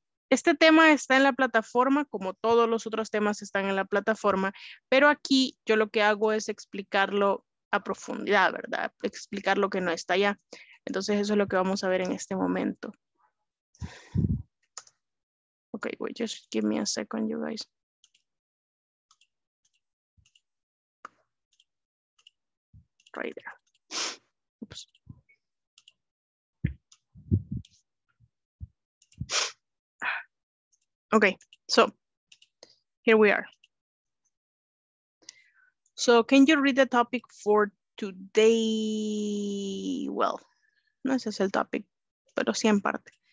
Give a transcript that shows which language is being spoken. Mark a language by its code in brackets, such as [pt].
[es] Este tema está en la plataforma, como todos los otros temas están en la plataforma, pero aquí yo lo que hago es explicarlo a profundidad, ¿verdad? Explicar lo que no está allá. Entonces eso es lo que vamos a ver en este momento. [en] Okay, wait, just give me a second, you guys. Right there. Oops. Okay, so here we are. So can you read the topic for today? [es] Well, no, ese es el topic, pero sí en parte.